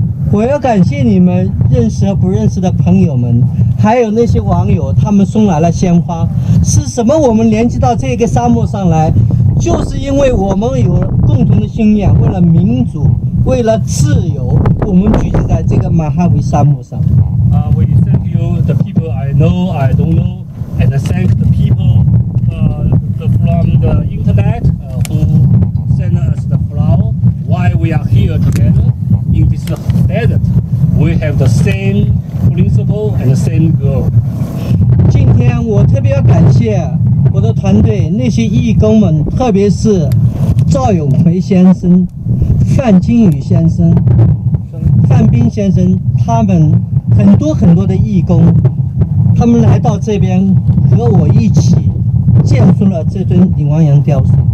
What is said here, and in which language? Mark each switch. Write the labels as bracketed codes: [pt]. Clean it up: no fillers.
[zh] 我要感谢你们认识和不认识的朋友们，还有那些网友，他们送来了鲜花。是什么？我们连接到这个沙漠上来，就是因为我们有共同的信念，为了民主，为了自由，我们聚集在这个马哈维沙漠上。 [en] We thank you, the people I know, I don't know, and thank the people from the internet who sent us the flower. Why we are here together in this desert? We have the same principle and the same goal. [zh] 今天我特别要感谢我的团队那些义工们，特别是赵永奎先生、范金宇先生、范斌先生，他们。很多很多的义工，他们来到这边和我一起建出了这尊李汪洋雕塑。